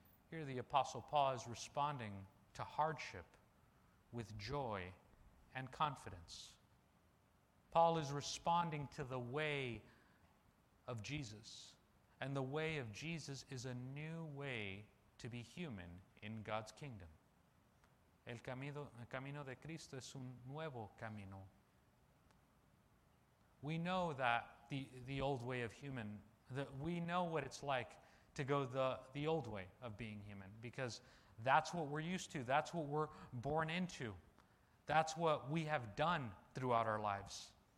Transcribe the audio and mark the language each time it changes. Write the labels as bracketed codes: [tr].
[en] Here the Apostle Paul is responding to hardship with joy and confidence. Paul is responding to the way of Jesus. And the way of Jesus is a new way to be human in God's kingdom. [es] El camino de Cristo es un nuevo camino. [en] We know that the old way of human, that we know what it's like to go the old way of being human, because that's what we're used to. That's what we're born into. That's what we have done throughout our lives.